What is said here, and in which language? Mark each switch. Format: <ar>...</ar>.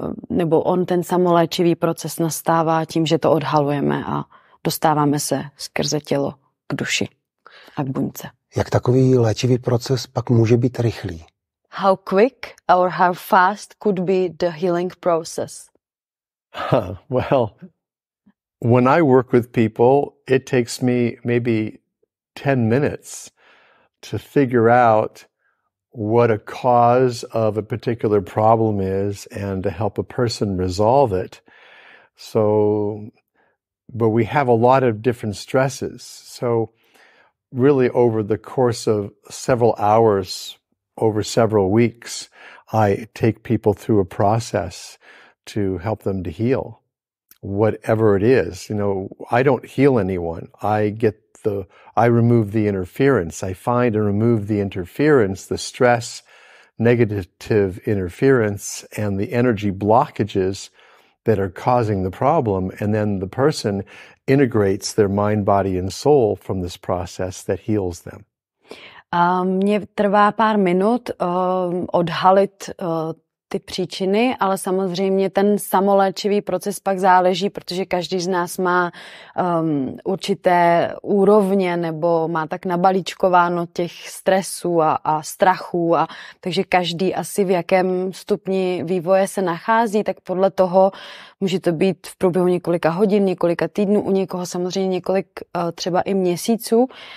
<cs>Nebo on ten samoléčivý proces nastává tím, že to odhalujeme a dostáváme se skrze tělo k duši a k buňce. Jak takový léčivý proces pak může být rychlý?</cs> <en>How quick or how fast could be the healing process? Well, when I work with people, it takes me maybe 10 minutes to figure out what a cause of a particular problem is and to help a person resolve it. So, but we have a lot of different stresses. So really over the course of several hours, over several weeks, I take people through a process to help them to heal, whatever it is. You know, I don't heal anyone. I remove the interference. I find and remove the interference, the stress, negative interference, and the energy blockages that are causing the problem. And then the person integrates their mind, body, and soul from this process that heals them.</en> <cs>Mně trvá pár minut odhalit ty příčiny, ale samozřejmě ten samoléčivý proces pak záleží, protože každý z nás má určité úrovně nebo má tak nabalíčkováno těch stresů a strachů, a takže každý asi v jakém stupni vývoje se nachází, tak podle toho může to být v průběhu několika hodin, několika týdnů, u někoho samozřejmě několik třeba i měsíců.</cs>